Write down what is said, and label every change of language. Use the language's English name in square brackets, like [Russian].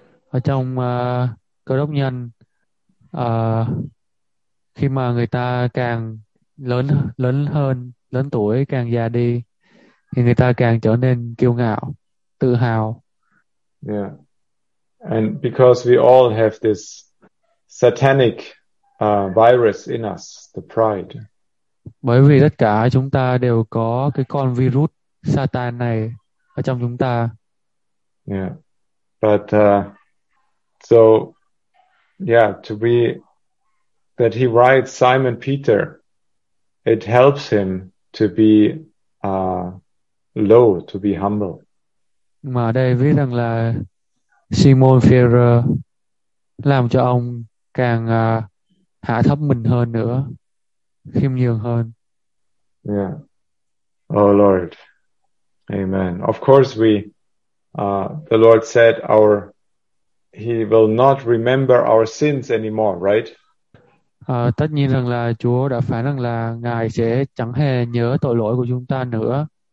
[Vietnamese] Ở trong Cơ Đốc nhân, khi mà người ta càng lớn hơn, lớn tuổi, càng già đi, thì người ta càng trở nên kiêu ngạo, tự hào. [English] Yeah. And because we all have this satanic virus in us, the pride. [Vietnamese] Bởi vì tất cả chúng ta đều có cái con virus Satan này ở trong chúng ta. [English] Yeah. But to be that he writes Simon Peter, it helps him to be low, to be humble. [Vietnamese] Mà đây viết rằng là Simon Peter làm cho ông càng hạ thấp mình hơn nữa, khiêm nhường hơn. [English] Yeah. Oh Lord. Amen. Of course we the Lord said he will not remember our sins anymore, right? [Vietnamese] Tất nhiên rằng là Chúa đã phán rằng là Ngài sẽ chẳng hề nhớ tội lỗi của chúng ta nữa.